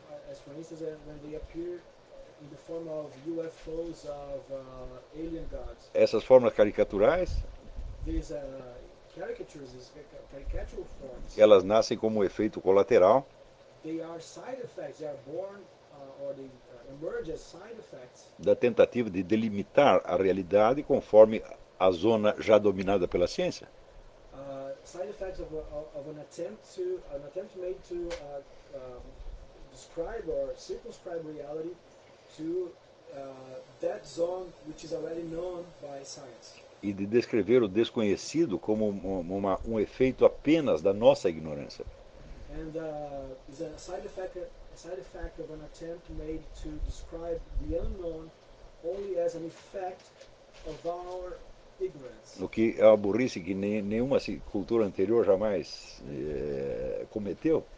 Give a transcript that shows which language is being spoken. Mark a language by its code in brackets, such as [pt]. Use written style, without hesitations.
[en] as for instance when they appear in the form of UFOs of alien gods, [pt] essas formas caricaturais, [en] these caricatures, these caricatural forms, [pt] elas nascem como um efeito colateral, [en] they are side effects, they are born emerge as side effects, [pt] da tentativa de delimitar a realidade conforme a zona já dominada pela ciência. [en] Side effects of an attempt made to describe or circumscribe reality to that zone which is already known by science. [pt] E de descrever o desconhecido como um efeito apenas da nossa ignorância. [en] And is a side effect of an attempt made to describe the unknown only as an effect of our ignorance. [pt] O que é uma burrice que nenhuma cultura anterior jamais cometeu.